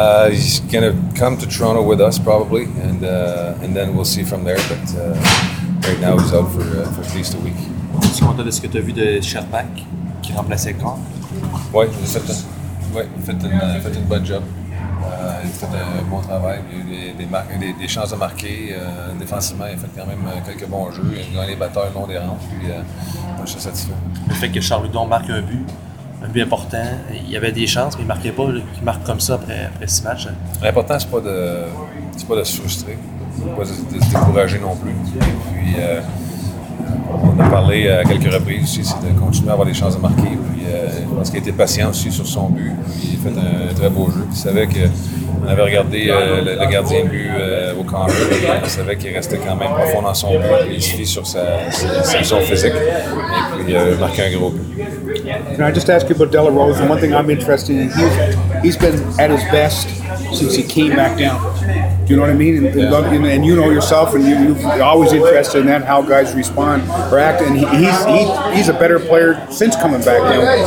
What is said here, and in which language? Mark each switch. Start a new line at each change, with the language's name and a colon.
English: He's going to come to Toronto with us probably. And then we'll see from there. But right now he's out for at least a week.
French: Est-ce qu'on t'a dit ce que t'as vu de Sherbach qui remplaçait Carr? Oui, c'est certain. Oui, fait un bon job. Il fait un bon travail. Il a eu des chances de marquer. Défensivement, il a fait quand même quelques bons jeux. Il a gagné les batteurs le long des rangs. Puis, moi, je suis satisfait. Le fait que Charles Houdon marque un but important, il y avait des chances, mais il ne marquait pas. Il marque comme ça après six matchs. L'important, c'est pas de se frustrer, pas de se décourager non plus. Puis, on a parlé à quelques reprises aussi, c'est de continuer à avoir des chances de marquer. Puis, je pense qu'il a été patient aussi sur son but. Puis, il a fait un très beau jeu. Il savait qu'on avait regardé le gardien de but au camp. Il savait qu'il restait quand même profond dans son but. Il suffit sur sa vision physique. Et puis, il a marqué un gros but.
English: Can I just ask you about De La Rose? And one thing I'm interested in, he's been at his best since he came back down. Do you know what I mean? And you know yourself, and you're always interested in that, how guys respond or act. And he's a better player since coming back down.